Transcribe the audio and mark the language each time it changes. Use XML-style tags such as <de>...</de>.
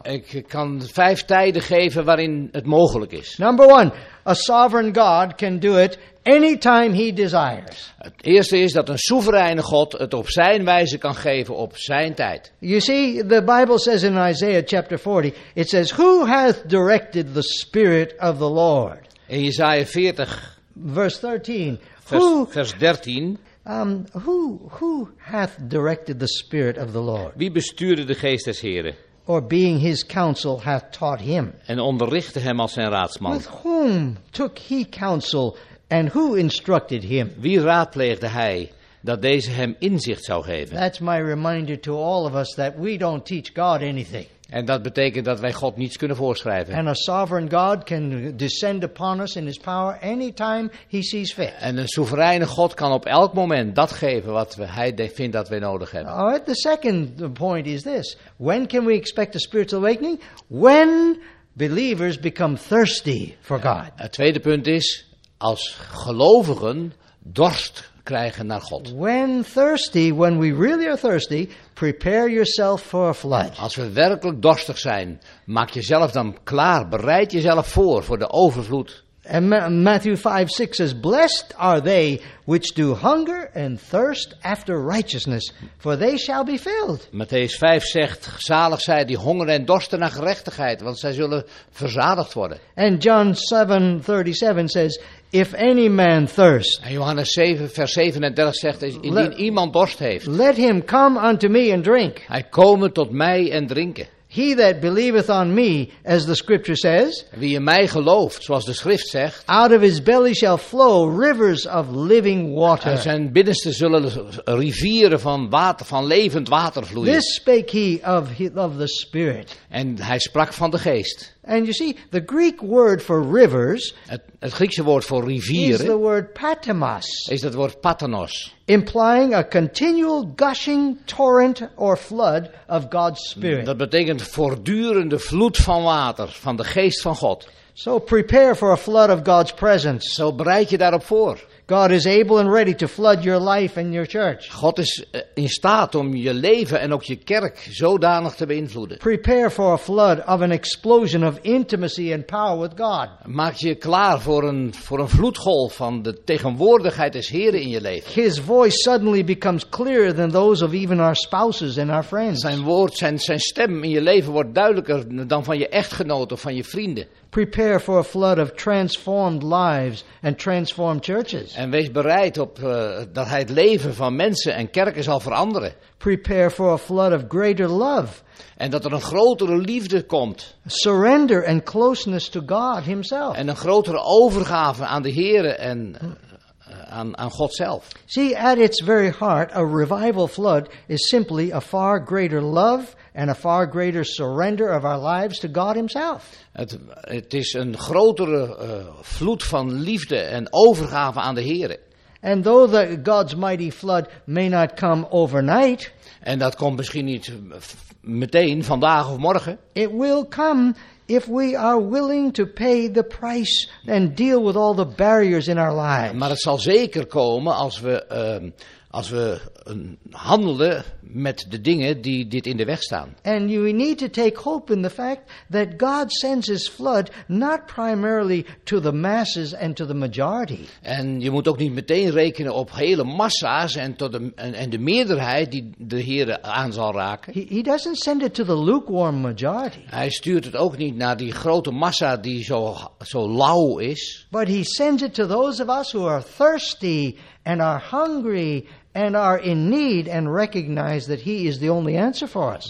<nl>Ik kan vijf tijden geven waarin het mogelijk is.</nl> <en>Number one, a sovereign God can do it anytime He desires.</en> <nl>Het eerste is dat een soevereine God het op zijn wijze kan geven op zijn tijd.</nl> <en>You see, the Bible says in Isaiah chapter 40, it says, "Who hath directed the Spirit of the Lord?" In Isaiah 40,</en> <nl>vers 13.</nl> <en>Who hath directed the Spirit of the Lord?</en> <nl>Wie bestuurde de Geest des Heren?</nl> <en>Or being his counsel hath taught him.</en> <nl>En onderrichtte hem als zijn raadsman.</nl> <en>With whom took he counsel and who instructed him?</en> <nl>Wie raadpleegde hij dat deze hem inzicht zou geven?</nl> <en>That's my reminder to all of us that we don't teach God anything.</en> <nl>En dat betekent dat wij God niets kunnen voorschrijven.</nl> <en>And a sovereign God can descend upon us in his power anytime he sees fit.</en> <nl>En een soevereine God kan op elk moment dat geven wat hij vindt dat wij nodig hebben.</nl> <en>All right, the second point is this. When can we expect a spiritual awakening? When believers become thirsty for God.</en> <nl>Het tweede punt is, als gelovigen dorst krijgen naar God.</nl> <en>When we really are thirsty, prepare yourself for a flood.</en> <nl>Als we werkelijk dorstig zijn, maak jezelf dan klaar, bereid jezelf voor de overvloed.</nl> <en>And Matthew 5:6 says, "Blessed are they which do hunger and thirst after righteousness, for they shall be filled."</en> <nl>Matthäus 5 zegt: "Zalig zij die hongeren en dorsten naar gerechtigheid, want zij zullen verzadigd worden."</nl> <en>And John 7:37 says, "If any man thirst."</en> <nl>En Johannes 7 vers 37 zegt: "Indien iemand dorst heeft,</nl> <en>let him come unto me and drink."</en> <nl>Hij komen tot mij en drinken.</nl> <en>He that believeth on me, as the scripture says,</en> <nl>wie in mij gelooft, zoals de schrift zegt,</nl> <en>out of his belly shall flow rivers of living water.</en> <nl>Uit zijn binnenste zullen rivieren van water, van levend water vloeien.</nl> <en>This spake he of the Spirit.</en> <nl>En hij sprak van de Geest.</nl> <en>And you see, the Greek word for rivers,</en> <nl>het Griekse woord voor rivieren,</nl> <en>is the word patemos.</en> <nl>Is dat woord patanos.</nl> <en>Implying a continual gushing torrent or flood of God's Spirit.</en> <nl>Dat betekent voortdurende vloed van water, van de Geest van God.</nl> <en>So prepare for a flood of God's presence.</en> <nl>Zo bereid je daarop voor.</nl> <en>God is able and ready to flood your life and your church.</en> <nl>God is in staat om je leven en ook je kerk zodanig te beïnvloeden.</nl> <en>Prepare for a flood of an explosion of intimacy and power with God.</en> <nl>Maak je klaar voor een vloedgolf van de tegenwoordigheid des Heren in je leven.</nl> <en>His voice suddenly becomes clearer than those of even our spouses and our friends.</en> <nl>Zijn stem in je leven wordt duidelijker dan van je echtgenoot of van je vrienden.</nl> <en>Prepare for a flood of transformed lives and transformed churches.</en> <nl>En wees bereid op dat hij het leven van mensen en kerken zal veranderen.</nl> <en>Prepare for a flood of greater love.</en> <nl>En dat er een grotere liefde komt.</nl> <en>Surrender and closeness to God himself.</en> <nl>En een grotere overgave aan de Heere en aan God zelf.</nl> <en>See, at its very heart, a revival flood is simply a far greater love and a far greater surrender of our lives to God himself.</en> <nl>Het is een grotere vloed van liefde en overgave aan de Here.</nl> <en>And though the God's mighty flood may not come overnight,</en> <nl>en dat komt misschien niet meteen vandaag of morgen,</nl> <en>it will come if we are willing to pay the price and deal with all the barriers in our lives.</en> <nl>Maar het zal zeker komen als we handelen met de dingen die dit in de weg staan.</nl> <en>And you need to take hope in the fact that God sends his flood not primarily to the masses and to the majority.</en> <nl>En je moet ook niet meteen rekenen op hele massa's en tot de meerderheid die de Heer aan zal raken.</nl> <en>He doesn't send it to the lukewarm majority.</en> <nl>Hij stuurt het ook niet naar die grote massa die zo lauw is.</nl> <en>But he sends it to those of us who are thirsty and are hungry and are in need and recognize that he is the only answer for us.</en>